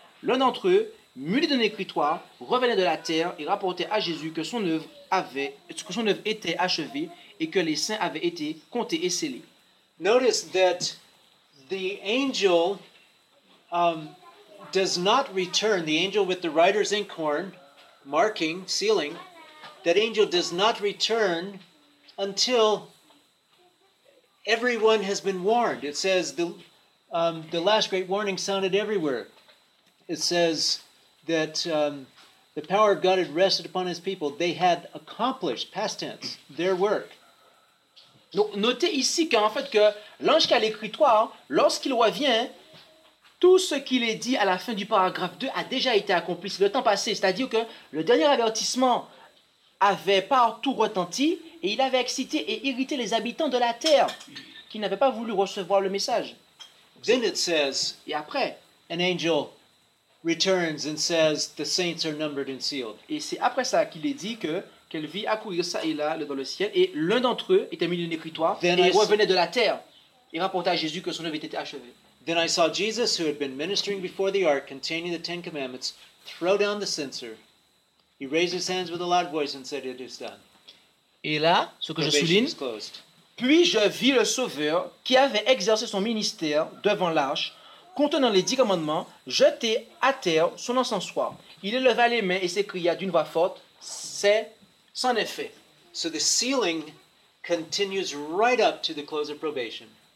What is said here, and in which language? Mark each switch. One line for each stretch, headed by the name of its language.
French: L'un d'entre eux, muni d'un écritoire, revenait de la terre et rapportait à Jésus que son œuvre était achevée et que les saints avaient été comptés et scellés.
English: Notice that the angel does not return. The angel with the writer's ink horn, marking, sealing, that angel does not return until everyone has been warned. It says the last great warning sounded everywhere. It says that the power of God had rested upon his people. They had accomplished, past tense, their work.
French: Donc, notez ici qu'en fait, que l'ange qui a l'écritoire, lorsqu'il revient, tout ce qu'il est dit à la fin du paragraphe 2 a déjà été accompli. C'est le temps passé. C'est-à-dire que le dernier avertissement avait partout retenti et il avait excité et irrité les habitants de la terre qui n'avaient pas voulu recevoir le message.
English: Then it says,
French: et après,
English: an angel returns and says the saints are numbered and sealed.
French: Et c'est après ça qu'il est dit qu'elle vit accourir ça et là dans le ciel et l'un d'entre eux était mis dans une écritoire et revenait de la terre et rapportait à Jésus que son œuvre était achevée.
English: Then I saw Jesus who had been ministering before the ark containing the Ten Commandments throw down the censer. He raised his hands with a loud voice and said it is done.
French: Et là, ce que je souligne, puis je vis le Sauveur qui avait exercé son ministère devant l'arche contenant les 10 commandements, jeté à terre son encensoir. Il éleva les mains et s'écria d'une voix forte, c'est sans effet.
English: So the sealing continues right up to the close of probation.